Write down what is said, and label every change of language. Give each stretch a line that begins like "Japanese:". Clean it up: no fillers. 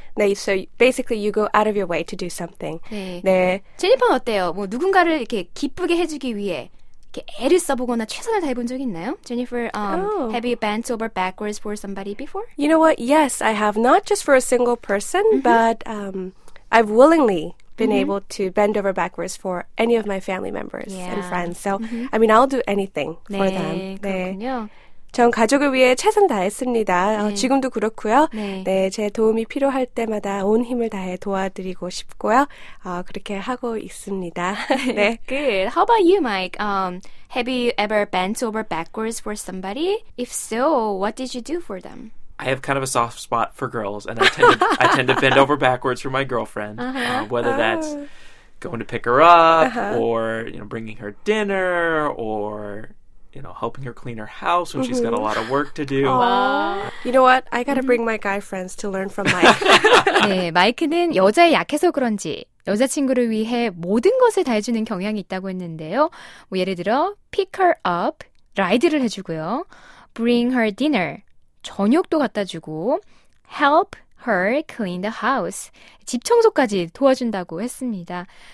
English: 네, so basically you go out of your way to do something.
Korean: 네. 네. 제니퍼는 어때요? 뭐 누군가를 이렇게 기쁘게 해주기 위해 애를 써보거나 최선을 다해본 적 있나요?
English: Jennifer, have you bent over backwards for somebody before? You know what? Yes, I have. Not just for a single person, but I've willingly been able to bend over backwards for any of my family members and friends. So, I mean, I'll do anything for them.
Korean: 네, 그렇군요. 전 가족을 위해 최선을 다했습니다. 네. 어, 지금도 그렇고요. 네. 네, 제 도움이 필요할 때마다 온 힘을 다해 도와드리고 싶고요. 그렇게 하고 있습니다. 네.
English: Good. How about you, Mike? Have you ever bent over backwards for somebody? If so, what did you do for them? I have kind of a soft spot for girls, and I tend to bend over backwards for my girlfriend, whether that's going to pick her up, or you know, bringing her dinner, or... You know, helping her clean her house when she's got a lot of work to do. You know what? I gotta bring my guy friends to learn from Mike.
Korean: 네, 마이크는 여자의 약해서 그런지 여자친구를 위해 모든 것을 다 해주는 경향이 있다고 했는데요. 뭐 예를 들어,
English: pick her up,
Korean: 라이드를 해주고요.
English: Bring her dinner,
Korean: 저녁도 갖다 주고.
English: Help her clean the house,
Korean: 집 청소까지 도와준다고 했습니다.